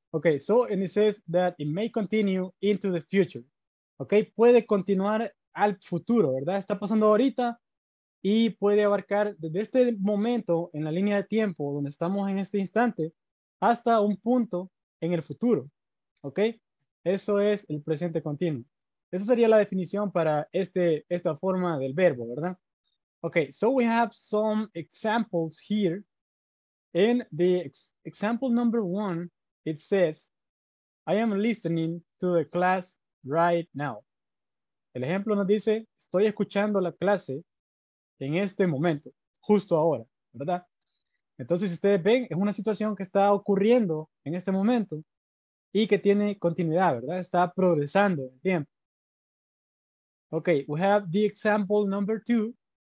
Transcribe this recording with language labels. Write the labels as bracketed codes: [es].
[en] Okay, so, and it says that it may continue into the future. [es] Okay, puede continuar al futuro, ¿verdad? Está pasando ahorita y puede abarcar desde este momento en la línea de tiempo donde estamos en este instante hasta un punto en el futuro. Okay, eso es el presente continuo. Esa sería la definición para esta forma del verbo, ¿verdad? [en] Okay, so we have some examples here. In the example number one, it says, I am listening to the class right now. [es] El ejemplo nos dice, estoy escuchando la clase en este momento, justo ahora, ¿verdad? Entonces, si ustedes ven, es una situación que está ocurriendo en este momento y que tiene continuidad, ¿verdad? Está progresando el tiempo. [en] Okay, we have the example number two.